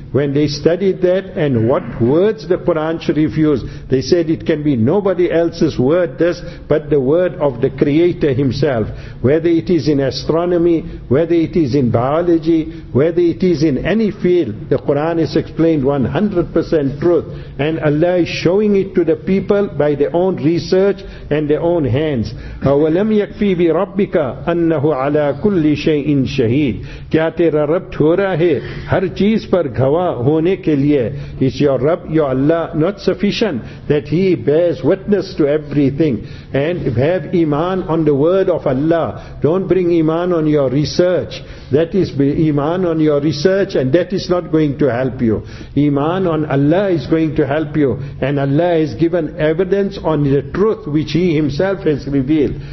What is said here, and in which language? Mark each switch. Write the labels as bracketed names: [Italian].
[English] when they studied that and what words the Quran Sharif used, they said it can be nobody else's word this but the word of the Creator Himself. Whether it is in astronomy, whether it is in biology, whether it is in any field, the Quran is explained 100% truth. And Allah is showing it to the people by their own research and their own hands. [Arabic] أَوَلَمْ يَكْفِي بِرَبِّكَ أَنَّهُ عَلَىٰ كُلِّ شَيْءٍ شَهِيدٍ [Urdu] کیا تیرا رب ٹھورا ہے ہر چیز پر گواہ ہونے کے لیے. [English] Is your Rabb, your Allah, not sufficient that He bears witness to everything? And have iman on the word of Allah. Don't bring iman on your research. That is iman on your research and that is not going to help you. Iman on Allah is going to help you. And Allah has given evidence on the truth which He Himself has revealed.